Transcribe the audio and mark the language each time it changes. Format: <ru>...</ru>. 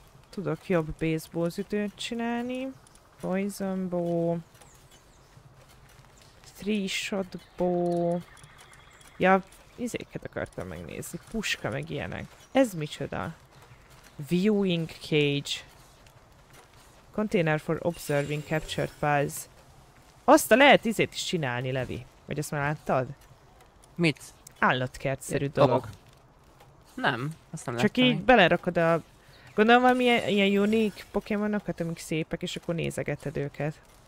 <hu>Tudok jobb baseball zütőt csinálni. Poison bow, three shot bow, ja, izéket akartam megnézni, puska meg ilyenek. Ez micsoda?</hu> <en>Viewing cage, container for observing captured pals.</en> <hu>Azt a lehet izét is csinálni, Levi, vagy ezt már láttad? Mit? Állatkertszerű dolog. Nem, azt nem. Csak így belerakod a... Gondolom valami ilyen unique Pokémonokat, amik szépek, és akkor nézegeted őket.</hu>